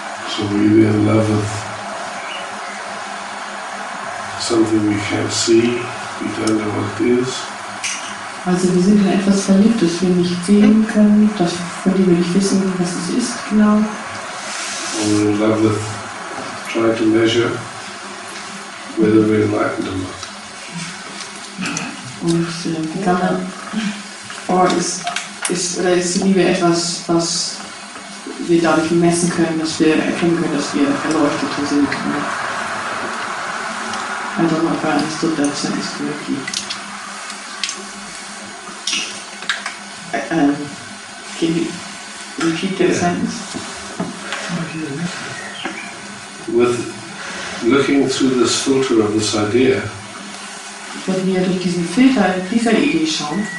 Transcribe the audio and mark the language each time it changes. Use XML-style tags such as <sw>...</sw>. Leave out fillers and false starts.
<en>So we are in love with something we can't see, we don't know what it is.</en> <de>Also wir sind in etwas verliebt, das wir nicht sehen können, das von dem wir nicht wissen, was es ist, genau.</de> <en>Or we're in love with trying to measure whether we're enlightened or not.</en> <de>Und ist Liebe etwas, was wir dadurch messen können, dass wir erkennen können, dass wir erleuchtet sind.</de> <en>Also I don't know if I understood that sentence correctly. Can you repeat that sentence? With looking through this filter of this idea,</en> <de>wenn wir durch diesen Filter dieser Idee schauen,</de>